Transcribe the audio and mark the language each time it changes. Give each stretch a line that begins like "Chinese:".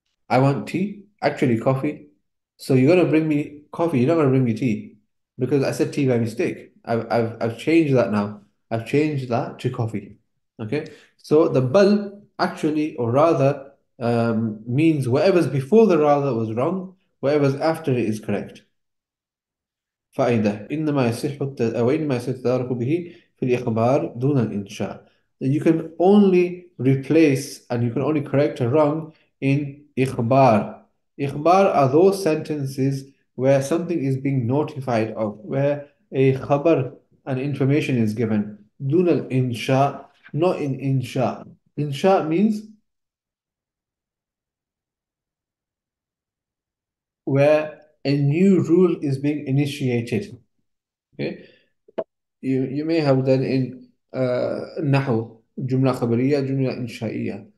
English: I want tea, actually coffee. So you're gonna bring me coffee, you're not gonna bring me tea. Because I said tea by mistake. I've changed that now. I've changed that to coffee. Okay? So the bal actually, or rather, means whatever's before the rather was wrong, whatever's after it is correct.
Arabic: فإذا إنما يصح وإنما يصح التدارك به في الإخبار دون الإنشاء.
English: You can only replace and you can only correct a wrong in إخبار. إخبار are those sentences where something is being notified of, where a khabar and information is given.
Arabic: دون الإنشاء,
English: not in
Arabic: إنشاء.
English: إنشاء means where a new rule is being initiated. Okay, you may have done in nahw, jumla khabariya, jumla insha'iyya.